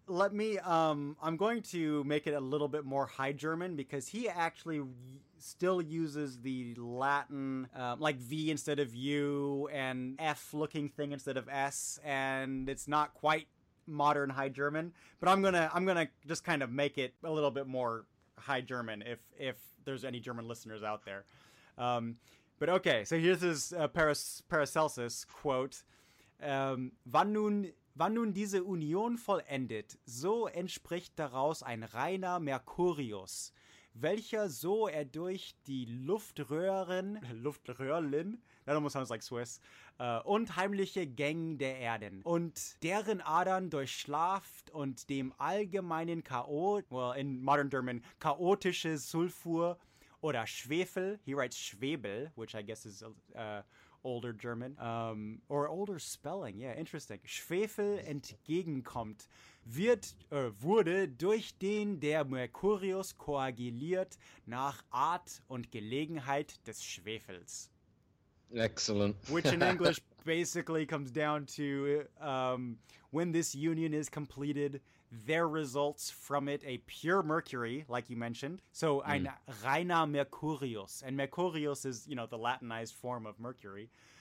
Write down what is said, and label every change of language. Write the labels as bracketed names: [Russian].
[English] I'm going to make it a little bit more High German because he actually still uses the Latin like V instead of U and F looking thing instead of S, and it's not quite modern High German, but I'm going to just kind of make it a little bit more High German, if there's any German listeners out there. So here's his Paracelsus quote. [German] Wann nun diese Union vollendet, so entspricht daraus ein reiner Mercurius, welcher so er durch die Luftröhren, Luftröhrlin, [English] that almost sounds like Swiss, [German] und heimliche Gang der Erden, und deren Adern durchschlaft und dem allgemeinen [English] in modern German, [German] chaotische Sulfur oder Schwefel, [English] he writes Schwebel, which I guess is older German, or older spelling, yeah, interesting, [German] Schwefel entgegenkommt, wurde durch den der Mercurius koaguliert nach Art und Gelegenheit des Schwefels. [English] Excellent. Which in English basically comes down to when this union is completed, there results from it a pure mercury, like you mentioned. [German] So ein reiner Mercurius. [English] And Mercurius is, you know, the Latinized form of mercury.